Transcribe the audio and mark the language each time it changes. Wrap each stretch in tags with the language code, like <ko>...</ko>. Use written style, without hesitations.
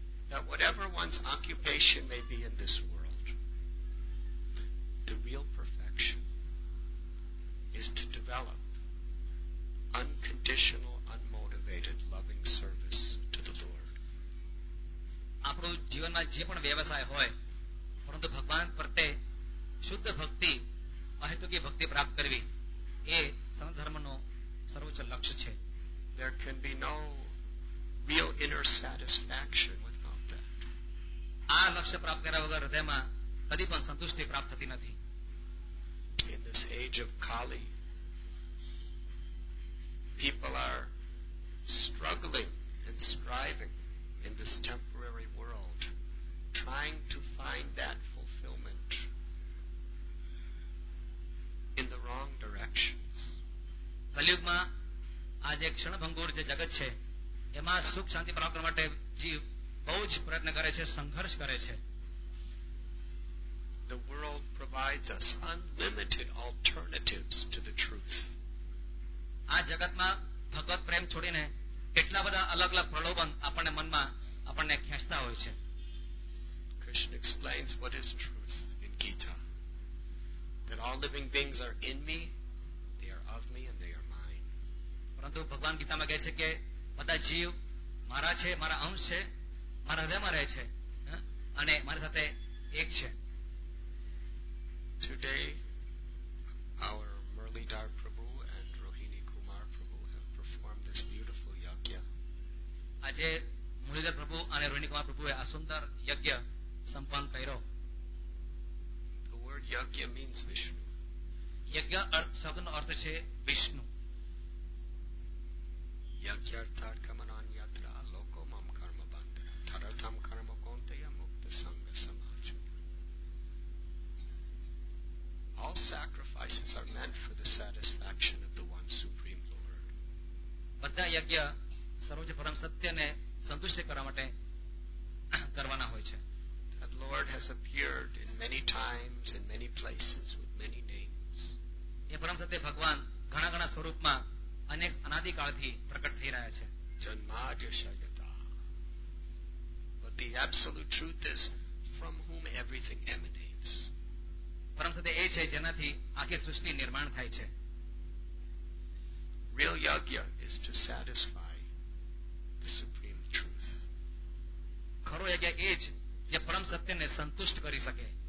<en>That whatever one's occupation may be in this world, the real perfection is to develop unconditional, unmotivated, loving service to the Lord.</en> <gu>Apro jivanma je pan vyavasay hoy પરંતુ ભગવાન પ્રત્યે શુદ્ધ ભક્તિ અહેતુકી ભક્તિ પ્રાપ્ત કરવી એ સનાતન ધર્મનો સર્વોચ્ચ લક્ષ્ય છે.</gu> <en>There can be no real inner satisfaction without that.</en> <gu>આ લક્ષ્ય પ્રાપ્ત કર્યા વગર હૃદયમાં કદી પણ સંતુષ્ટિ પ્રાપ્ત થતી નથી.</gu> <en>In this age of Kali, people are struggling and striving in this temporary world, trying to find that fulfillment in the wrong directions.</en> <gu>કલયુગમાં આ જે ક્ષણભંગુર જે જગત છે એમાં સુખ શાંતિ પ્રાપ્ત કરવા માટે જીવ બહુ જ પ્રયત્ન કરે છે, સંઘર્ષ કરે છે.</gu> <en>The world provides us unlimited alternatives to the truth.</en> <gu>આ જગતમાં ભગવત પ્રેમ છોડીને કેટલા બધા અલગ અલગ પ્રલોભન આપણને મનમાં આપણને ખેંચતા હોય છે.</gu> <en>Krishna explains what is truth in Gita. That all living beings are in me, they are of me, and they are mine.</en> <gu>પરંતુ ભગવાન ગીતામાં કહે છે કે બધા જીવ મારા છે, મારા અંશ છે, મારા હૃદયમાં રહે છે અને મારી સાથે એક છે.</gu> <en>Today, our Murlidhar Prabhu and Rohini Kumar Prabhu have performed this beautiful yagya.</en> <gu>આજે મુરલીધર પ્રભુ અને રોહિણી કુમાર પ્રભુએ આ સુંદર યજ્ઞ સંપન્ન કર્યો.</gu> <en>The word yagya means Vishnu.</en> <gu>યજ્ઞ શબ્દનો અર્થ છે વિષ્ણુ.</gu> <sa>યજ્ઞાર્થાત્ કમનાન યાત્રા લોકો મમ કર્મ બંધ થરર્થમ કર્મ કૌંતેય મુક્ત સંગ સમાજ.</sa> <en>All sacrifices are meant for the satisfaction of the one supreme Lord.</en> <gu>બધા યજ્ઞ સર્વોચ્ચ પરમ સત્યને સંતુષ્ટ કરવા માટે કરવાના હોય છે.</gu> <en>The Lord has appeared in many times and many places with many names.</en> <gu>એ પરમ સત્ય ભગવાન ઘણા ઘણા સ્વરૂપમાં અનેક અનાદિ કાળથી પ્રગટ થઈ રહ્યા છે.</gu> <sa>Janmajashayata.</sa> <en>But the absolute truth is from whom everything emanates.</en> <gu>પરમ સત્ય એ છે જેનાથી આખી સૃષ્ટિ નિર્માણ થાય છે.</gu> <en>real yagya is to satisfy the supreme truth.</en> <gu>ખરો યજ્ઞ એ જ જે પરમ સત્યને સંતુષ્ટ કરી શકે.</gu>